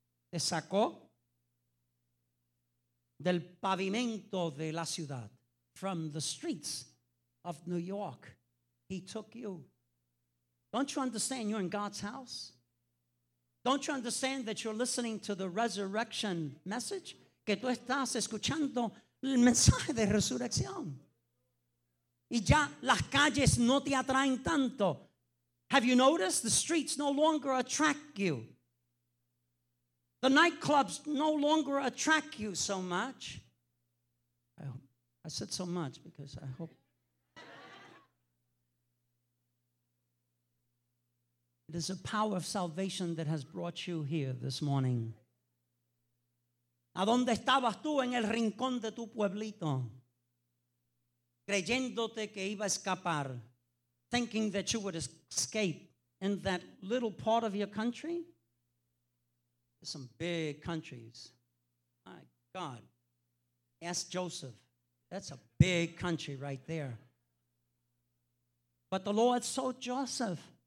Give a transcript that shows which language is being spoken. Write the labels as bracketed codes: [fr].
[es] Te sacó del pavimento de la ciudad, [en] from the streets of New York. He took you. Don't you understand you're in God's house? Don't you understand that you're listening to the resurrection message? [es] Que tú estás escuchando el mensaje de resurrección. Y ya las calles no te atraen tanto. [en] Have you noticed the streets no longer attract you? The nightclubs no longer attract you so much. I said so much because I hope. It is a power of salvation that has brought you here this morning. [es] ¿A dónde estabas tú en el rincón de tu pueblito? Creyéndote que iba a escapar. [en] Thinking that you would escape in that little part of your country. There's some big countries. My God. Ask Joseph. That's a big country right there. But the Lord sought Joseph.